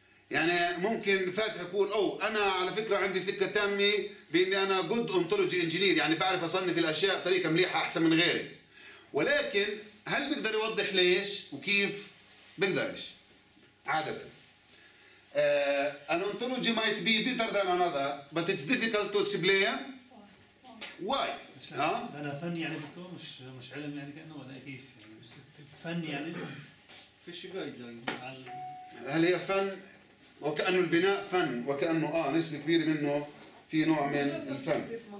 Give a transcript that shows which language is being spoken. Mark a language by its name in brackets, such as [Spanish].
[Arabic] يعني ممكن فاتح يقول او انا على فكره عندي ثقه تامه باني انا [English] good ontology engineer، [Arabic] يعني بعرف اصنف الاشياء بطريقه مليحه احسن من غيري، ولكن هل بيقدر يوضح ليش وكيف؟ بيقدرش عاده. [English] An ontology might be better than another but it's difficult to explain why. [Arabic] انا فني يعني دكتور، مش علم يعني كانه، ولا كيف يعني فني يعني فيش جايد لاين؟ هل هي فن وكانه البناء فن وكانه نسبه كبيره منه في نوع من الفن؟